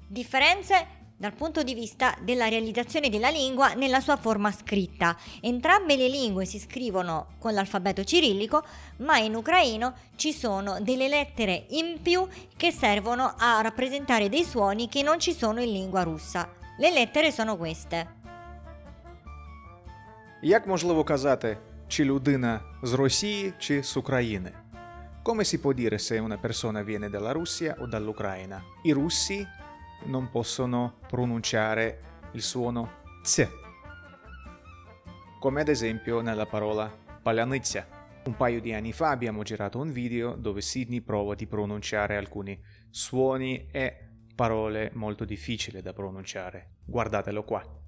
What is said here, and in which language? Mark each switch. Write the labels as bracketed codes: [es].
[it] Differenze dal punto di vista della realizzazione della lingua nella sua forma scritta. Entrambe le lingue si scrivono con l'alfabeto cirillico, ma in ucraino ci sono delle lettere in più che servono a rappresentare dei suoni che non ci sono in lingua russa. Le lettere sono queste. [uk] Як можливо казати, чи людина з Росії чи з України? [it] Come si può dire se una persona viene dalla Russia o dall'Ucraina? I russi non possono pronunciare il suono «ц», come ad esempio nella parola «паляниця». Un paio di anni fa abbiamo girato un video dove Sidney prova di pronunciare alcuni suoni e parole molto difficili da pronunciare. Guardatelo qua.